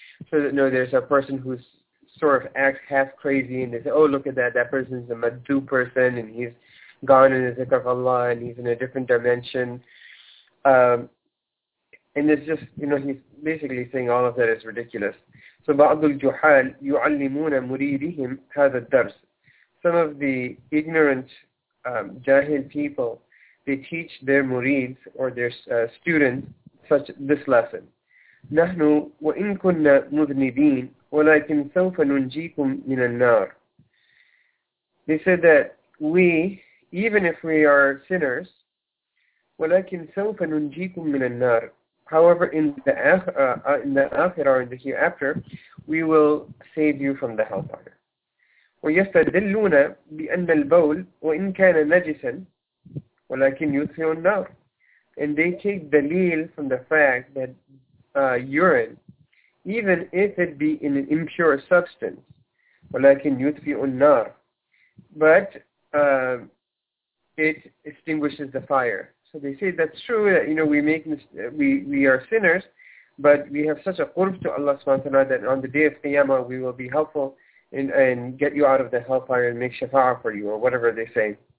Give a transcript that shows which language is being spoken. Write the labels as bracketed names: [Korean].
[English] So that, you know, there's a person who sort of acts half crazy and they say, oh, look at that, that person is a maddu person and he's gone in the zikr of Allah and he's in a different dimension. And it's just, you know, he's basically saying all of that is ridiculous. So [Arabic] فبعض الجحال يعلمون مريديهم هذا الدرس. [English] Some of the ignorant jahil people, they teach their murids or their students such this lesson. [Arabic] نحن وإن كنا مذنبين ولكن سوف ننجيكم من النار. [English] They said that we, even if we are sinners, [Arabic] ولكن سوف ننجيكم من النار. [English] However, in the Akhirah, or in the hereafter, we will save you from the hellfire. [Arabic] ويستدلون بأن البول وإن كان نجسا ولكن يطفئ النار. [English] And they take دليل from the fact that urine, even if it be in an impure substance, [Arabic] ولكن يطفئ النار, [English] but it extinguishes the fire. So they say that's true, that, you know, we are sinners, but we have such a qurb to Allah subhanahu wa ta'ala that on the day of Qiyamah we will be helpful and get you out of the hellfire and make shafa'ah for you, or whatever they say.